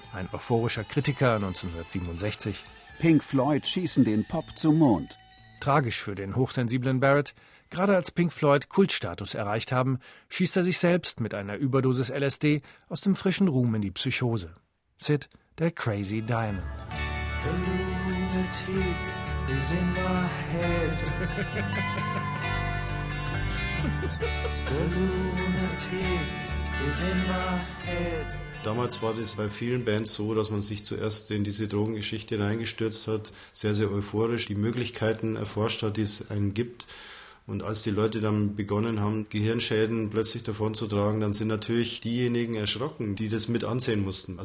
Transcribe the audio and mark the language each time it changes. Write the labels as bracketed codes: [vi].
[de] Ein euphorischer Kritiker 1967. Pink Floyd schießen den Pop zum Mond. Tragisch für den hochsensiblen Barrett, Gerade als Pink Floyd Kultstatus erreicht haben, schießt er sich selbst mit einer Überdosis LSD aus dem frischen Ruhm in die Psychose. Sid, der Crazy Diamond. [en] The lunatic is in my head. The lunatic is in my head. [de] Damals war das bei vielen Bands so, dass man sich zuerst in diese Drogengeschichte reingestürzt hat, sehr, sehr euphorisch die Möglichkeiten erforscht hat, die es einem gibt. Und als die Leute dann begonnen haben, Gehirnschäden plötzlich davonzutragen, dann sind natürlich diejenigen erschrocken, die das mit ansehen mussten.